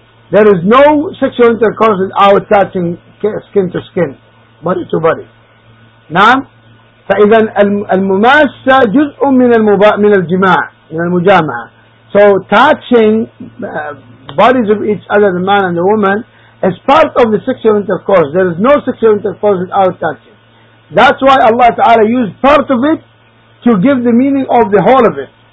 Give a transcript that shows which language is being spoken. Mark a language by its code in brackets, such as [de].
[en] There is no sexual intercourse without touching skin to skin, body to body. [ar] نعم، فإذا المماسة جزء من من الجماع، من المجامعة. [en] So touching bodies of each other, the man and the woman, is part of the sexual intercourse. There is no sexual intercourse without touching. That's why Allah Ta'ala used part of it to give the meaning of the whole of it.